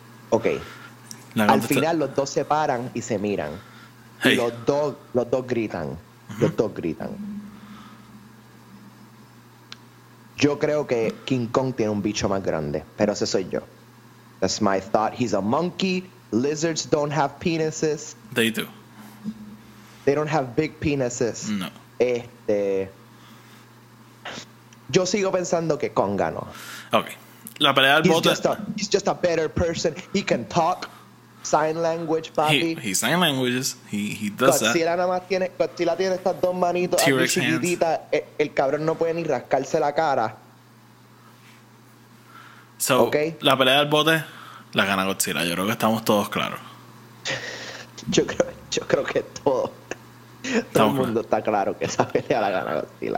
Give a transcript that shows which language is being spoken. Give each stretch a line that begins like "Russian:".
Spanish: Okay. Al final los dos se paran y se miran. Hey. Y los dos gritan. Uh-huh. Los dos gritan. Yo creo que King Kong tiene un bicho más grande, pero ese soy yo.
English: That's my thought. He's a monkey. Lizards don't have penises. They do. They don't have big penises. No.
Spanish: Este, yo sigo pensando que Kong ganó. Okay. La pelea del bote.
English: He's just a better person. He can talk sign language, papi. He sign languages. He does that.
Spanish: Godzilla nada más tiene. Godzilla tiene estas dos manitos aquí chiquititas. El cabrón no puede ni rascarse la cara. So, okay. La pelea del bote la gana Godzilla. Yo creo que estamos todos claros. Yo creo que todo el mundo está claro que esa pelea la gana Godzilla.